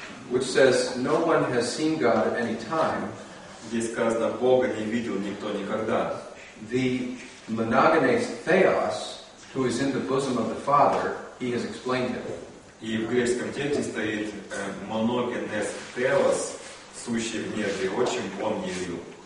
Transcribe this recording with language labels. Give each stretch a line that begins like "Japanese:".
English: Which says, no one has seen God at any time.
Russian: Здесь сказано, Бога не видел никто никогда.
English: The monogenes theos, who is in the bosom of the Father, he has explained it.
Russian: И в греческом тексте стоит моногенез теос, сущий в небе, отчим он явил.